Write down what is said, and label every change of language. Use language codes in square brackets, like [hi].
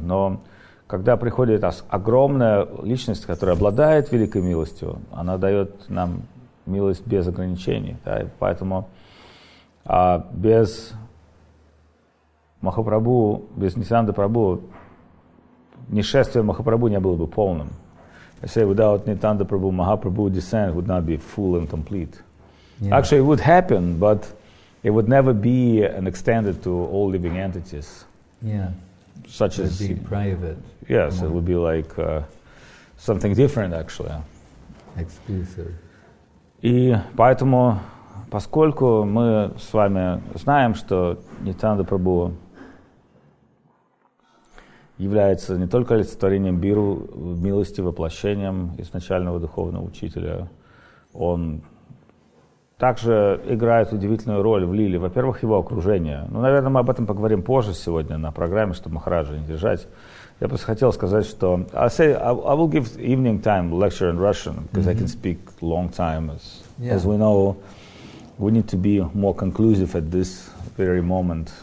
[ru] Но когда приходит огромная личность, которая обладает великой милостью, она дает нам милость без ограничений. Да? Поэтому без Махапрабху, без Нитянанды Прабху, нишествие Махапрабху не было бы полным. [en] I say, without Nitanda Prabhu, Mahaprabhu descent would not be full and complete. Yeah. Actually, it would happen, but it would never be extended to all living entities. Yeah. Such as... It would be private. Yes, it would be like something different, actually. Exclusive. [ru] И поэтому, поскольку мы с вами знаем, что Nitanda Prabhu является не только олицетворением Биру, милости, воплощением изначального духовного учителя. Он также играет удивительную роль в лиле. Во-первых, его окружение. Ну, наверное, мы об этом поговорим позже сегодня на программе, чтобы Махараджа не держать. Я просто хотел сказать, что... [en] I will give evening time lecture in Russian, because mm-hmm. I can speak long time. As, yeah. as we know, we need to be more conclusive at this very moment.